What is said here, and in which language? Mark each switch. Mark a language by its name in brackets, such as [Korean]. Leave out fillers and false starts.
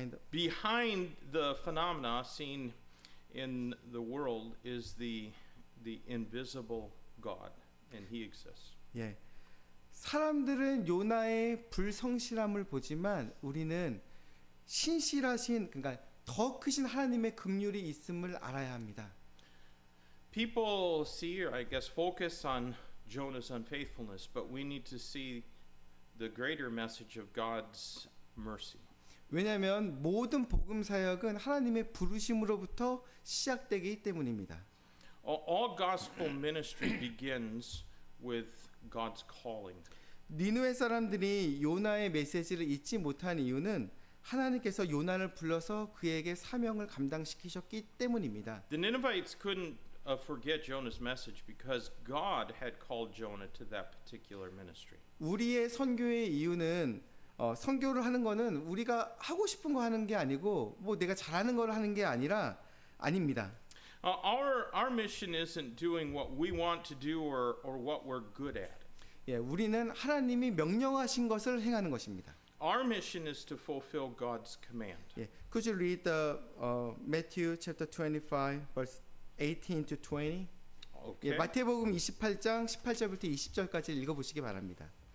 [English] Behind the phenomena seen in the world is the invisible God. And he exists. [Korean] 예, 사람들은 요나의 불성실함을 보지만 우리는 신실하신 그러니까 더 크신 하나님의 긍휼이 있음을 알아야 합니다. [English] People see, or I guess, focus on Jonah's unfaithfulness, but we need to see the greater message of God's mercy. [Korean] 왜냐하면 모든 복음 사역은 하나님의 부르심으로부터 시작되기 때문입니다. [English] All gospel ministry begins with God's calling. [Korean] 니느웨 사람들이 요나의 메시지를 잊지 못한 이유는 하나님께서 요나를 불러서 그에게 사명을 감당시키셨기 때문입니다. [English] The Ninevites couldn't forget Jonah's message because God had called Jonah to that particular ministry. [Korean] 우리의 선교의 이유는 선교를 하는 거는 우리가 하고 싶은 거 하는 게 아니고 뭐 내가 잘하는 걸 하는 게 아니라 아닙니다. [English] Our mission isn't doing what we want to do or what we're good at. [Korean] 예, 우리는 하나님이 명령하신 것을 행하는 것입니다. [English] Our mission is to fulfill God's command. 예, could you read the Matthew chapter 25, verse 18 to 20? Okay. [Korean] 예, 마태복음 28장 18절부터 20절까지 읽어보시기 바랍니다.